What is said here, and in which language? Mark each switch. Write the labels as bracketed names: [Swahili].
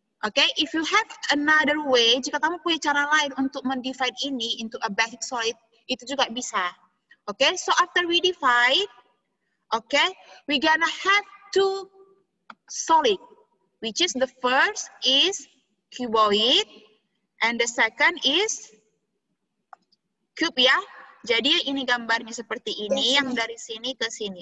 [English] Okay, if you have another way, [Indonesian] jika kamu punya cara lain untuk mendivide ini [English] into a basic solid, [Indonesian] itu juga bisa. [English] Okay, so after we divide, okay, we gonna have two solid, which is the first is cuboid, and the second is cube, [Indonesian] ya. Jadi ini gambarnya seperti ini, yang dari sini ke sini.